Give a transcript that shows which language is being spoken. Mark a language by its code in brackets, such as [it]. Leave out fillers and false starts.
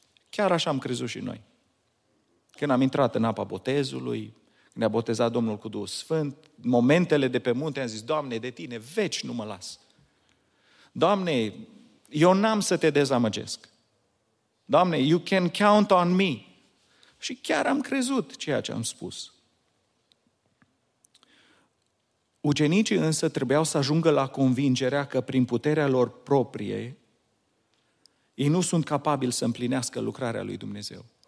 [ro] Chiar așa am crezut și noi. Când am intrat în apa botezului, ne-a botezat Domnul cu Duhul Sfânt, momentele de pe munte, am zis, Doamne, de tine veci nu mă las. Doamne, eu n-am să te dezamăgesc. [en] Doamne, you can count on me. [ro] Și chiar am crezut ceea ce am spus. Ucenicii însă trebuiau să ajungă la convingerea că prin puterea lor proprie ei nu sunt capabili să împlinească lucrarea lui Dumnezeu.